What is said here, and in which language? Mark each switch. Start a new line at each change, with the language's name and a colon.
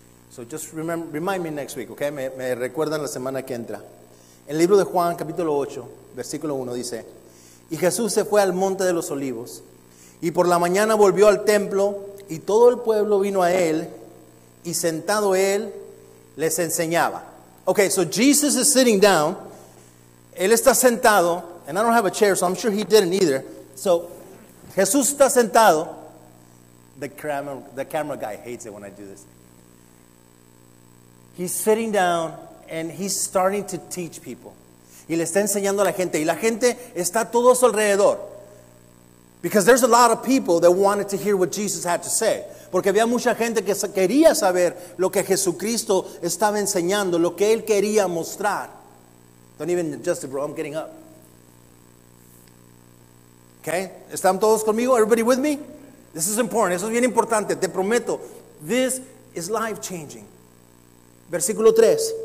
English: So just remind me next week, okay?
Spanish: Me recuerdan la semana que entra. El libro de Juan, capítulo 8, versículo 1, dice: Y Jesús se fue al monte de los olivos, y por la mañana volvió al templo, y todo el pueblo vino a él, y sentado él, les enseñaba.
English: Okay, so Jesus is sitting down.
Spanish: Él está sentado,
English: and I don't have a chair, so I'm sure he didn't either. So,
Spanish: Jesús está sentado.
English: The camera guy hates it when I do this. He's sitting down and he's starting to teach people.
Spanish: Y le está enseñando a la gente. Y la gente está todo a su alrededor.
English: Because there's a lot of people that wanted to hear what Jesus had to say.
Spanish: Porque había mucha gente que quería saber lo que Jesucristo estaba enseñando, lo que él quería mostrar.
English: Don't even adjust it, bro. I'm getting up. Okay?
Spanish: ¿Están todos conmigo?
English: Everybody with me? This is important.
Spanish: Eso es bien importante. Te prometo.
English: This is life changing.
Spanish: Versículo 3.